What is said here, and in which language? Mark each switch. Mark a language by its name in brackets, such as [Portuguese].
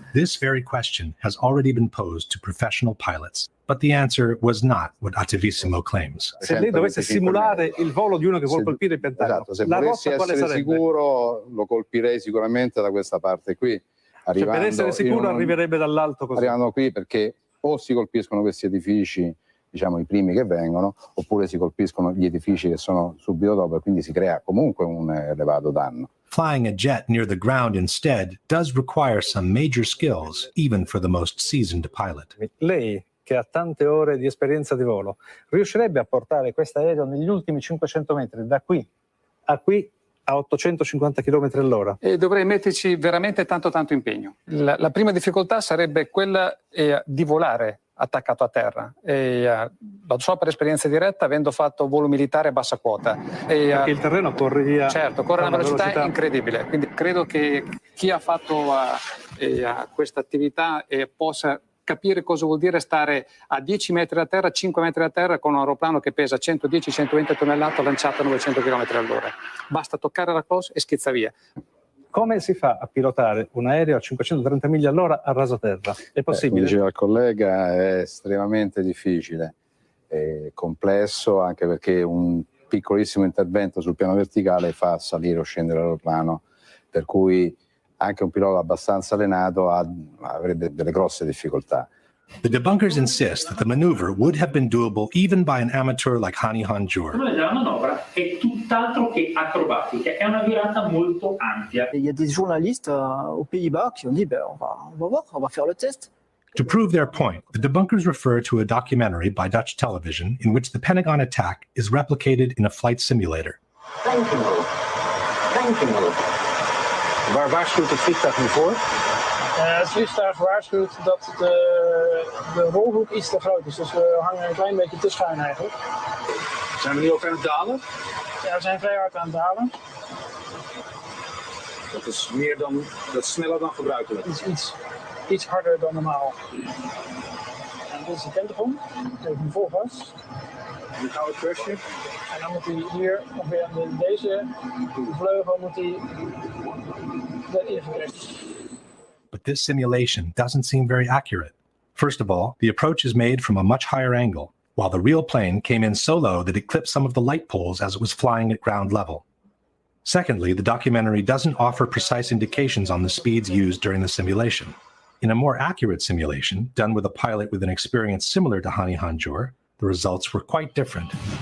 [English] This very question has already been posed to professional pilots. But the answer was not what Attivissimo claims. [Italian] Se lei dovesse simulare il volo di uno che vuole colpire il Pentagono, esatto, se volessi essere sicuro, lo colpirei sicuramente da questa parte qui. Cioè, per essere sicuro, arriverebbe dall'alto così. Arrivando qui, perché o si colpiscono questi edifici, diciamo i primi che vengono, oppure si colpiscono gli edifici che sono subito dopo, e quindi si crea comunque un elevato danno. [English] Flying a jet near the ground instead does require some major skills, even for the most seasoned pilot. [Italian] Lei, che ha tante ore di esperienza di volo, riuscirebbe a portare questo aereo negli ultimi 500 metri, da qui a qui, a 850 km all'ora? E dovrei metterci veramente tanto tanto impegno. La prima difficoltà sarebbe quella di volare attaccato a terra. E, lo so per esperienza diretta, avendo fatto volo militare a bassa quota. E, il terreno corre via. Certo, corre a una velocità, velocità incredibile. Quindi credo che chi ha fatto questa attività possa capire cosa vuol dire stare a 10 metri da terra, 5 metri da terra con un aeroplano che pesa 110-120 tonnellate lanciato a 900 km all'ora. Basta toccare la cosa e schizza via. come si fa a pilotare un aereo a 530 miglia all'ora a raso terra? È possibile? Come diceva il collega, è estremamente difficile, è complesso, anche perché un piccolissimo intervento sul piano verticale fa salire o scendere l'aeroplano, per cui anche un pilota abbastanza allenato avrebbe delle grosse difficoltà. [English] The debunkers insist that the maneuver would have been doable even by an amateur like Hani Hanjour. [Italian] La manovra è tutt'altro che acrobatica, è una virata molto ampia. [French] Il y a des journalistes aux Pays-Bas qui ont dit ben on va voir, on va faire le test. [English] To prove their point, the debunkers refer to a documentary by Dutch television in which the Pentagon attack is replicated in a flight simulator. Thank you. [Dutch] Waar waarschuwt het vliegtuig nu voor? Het vliegtuig waarschuwt dat de rolhoek iets te groot is, dus we hangen een klein beetje te schuin eigenlijk. Zijn we nu ook aan het dalen? Ja, we zijn vrij hard aan het dalen. Dat is sneller dan gebruikelijk? Iets harder dan normaal. En dit is de Pentagon, even een volgas. En een gouden crushje. En dan moet hij hier, ongeveer aan deze vleugel, moet hij erin gekregen. [English] But this simulation doesn't seem very accurate. First of all, the approach is made from a much higher angle, while the real plane came in so low that it clipped some of the light poles as it was flying at ground level. Secondly, the documentary doesn't offer precise indications on the speeds used during the simulation. In a more accurate simulation, done with a pilot with an experience similar to Hani Hanjour, the results were quite different.